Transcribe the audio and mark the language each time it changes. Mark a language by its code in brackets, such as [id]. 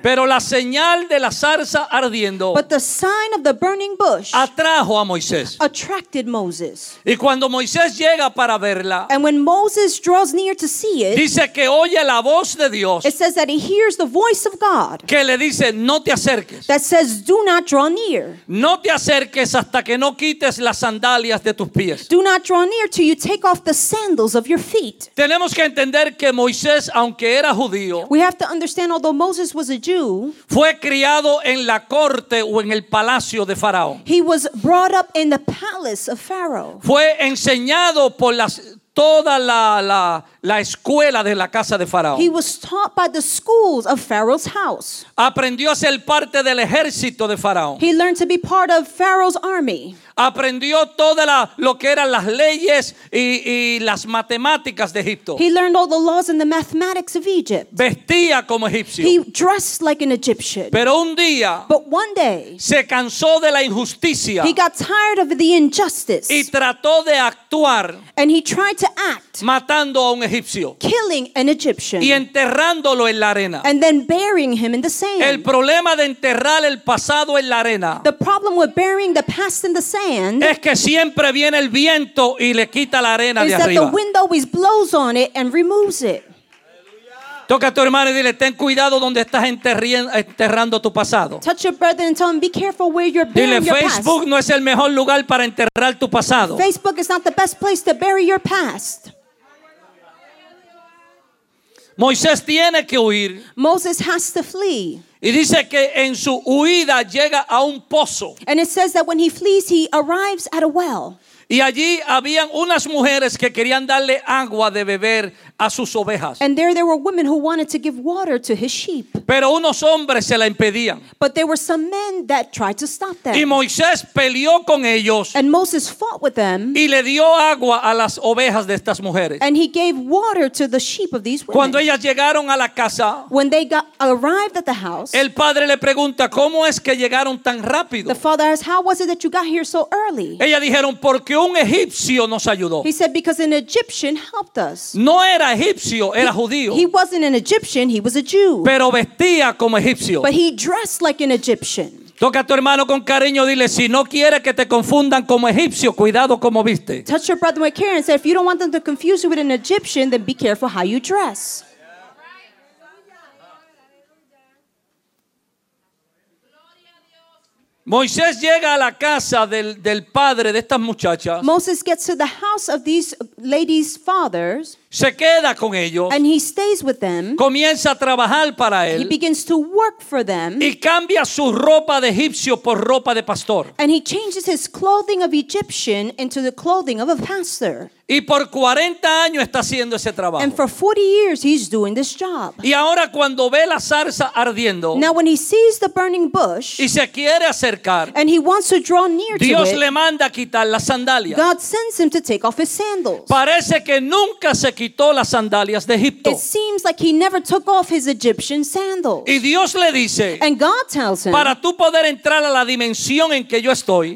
[es] Pero la señal de la zarza ardiendo, [en] but the sign of the burning bush, [es] atrajo a Moisés, [en] attracted Moses. [es] Y cuando Moisés llega para verla, [en] and when Moses draws near to see it, [es] dice que oye la voz de Dios, [en] it says that he hears the voice of God, [es] que le dice, no te acerques, [en] that says, do not draw near. [es] No te acerques hasta que no quites las sandalias de tus pies. [en] Do not draw near till you take off the sandals of your feet. [es] Tenemos que entender que Moisés, aunque era judío, [en] we have to understand, although Moses was a Jew, [es] fue criado en la corte o en el palacio de Faraón. [en] He was brought up in the palace of Pharaoh. [es] Fue enseñado por las, toda la, la escuela de la casa de Faraón. [en] He was taught by the schools of Pharaoh's house. [es] Aprendió a ser parte del ejército de Faraón. [en] He learned to be part of Pharaoh's army. [es] Aprendió toda la, lo que eran las leyes y las matemáticas de Egipto. [en] He learned all the laws and the mathematics of Egypt. [es] Vestía como egipcio. [en] He dressed like an Egyptian. [es] Pero un día, [en] but one day, [es] se cansó de la injusticia. [en] He got tired of the injustice. [es] Y trató de actuar. [en] And he tried to act. [es] Matando a un egipcio. [en] Killing an Egyptian. [es] Y enterrándolo en la arena. [en] And then burying him in the sand. [es] El problema de enterrar el pasado en la arena. [en] The problem with burying the past in the sand. [es] Es que siempre viene el viento y le quita la arena de arriba. [en] The wind always blows on it and removes it. [es] Toca a tu hermano y dile, ten cuidado donde estás enterrando tu pasado. [en] Touch your brother and tell him, be careful where you're burying your Facebook past. [es] Dile, Facebook no es el mejor lugar para enterrar tu pasado. [en] Facebook is not the best place to bury your past. [es] Moisés tiene que huir. [en] Moses has to flee. [es] Y dice que en su huida llega a un pozo. [en] And it says that when he flees, he arrives at a well. [es] Y allí habían unas mujeres que querían darle agua de beber a sus ovejas. [en] And there were women who wanted to give water to his sheep. [es] Pero unos hombres se la impedían. [en] But there were some men that tried to stop them. [es] Y Moisés peleó con ellos. [en] And Moses fought with them. [es] Y le dio agua a las ovejas de estas mujeres. [en] And he gave water to the sheep of these women. [es] Cuando ellas llegaron a la casa, [en] when they arrived at the house, [es] el padre le pregunta, ¿cómo es que llegaron tan rápido? [en] The father asked, how was it that you got here so early? [es] Ellas dijeron, ¿por qué? Que un egipcio nos ayudó. [en] He said, because an Egyptian helped us. [es] No era egipcio, era judío. [en] He wasn't an Egyptian, he was a Jew. [es] Pero vestía como egipcio. [en] But he dressed like an Egyptian. [es] Toca a tu hermano con cariño, dile, si no quieres que te confundan como egipcio, cuidado como viste. [en] Touch your brother with care and say, if you don't want them to confuse you with an Egyptian, then be careful how you dress. [es] Moisés llega a la casa del padre de estas muchachas. [en] Moses gets to the house of these ladies' fathers. [es] Se queda con ellos. [en] And he stays with them. [es] Comienza a trabajar para él. [en] He begins to work for them. [es] Y cambia su ropa de egipcio por ropa de pastor. [en] And he changes his clothing of Egyptian into the clothing of a pastor. [es] Y por 40 años está haciendo ese trabajo. [en] And for 40 years he's doing this job. [es] Y ahora cuando ve la zarza ardiendo, [en] now when he sees the burning bush, [es] y se quiere acercar, [en] and he wants to draw near to it, [es] Dios le manda a quitar las sandalias. [en] God sends him to take off his sandals. [es] Parece que nunca se quitó las sandalias de Egipto. [en] It seems like he never took off his Egyptian sandals. [es] Y Dios le dice, [en] and God tells him, [es] para tú poder entrar a la dimensión en que yo estoy,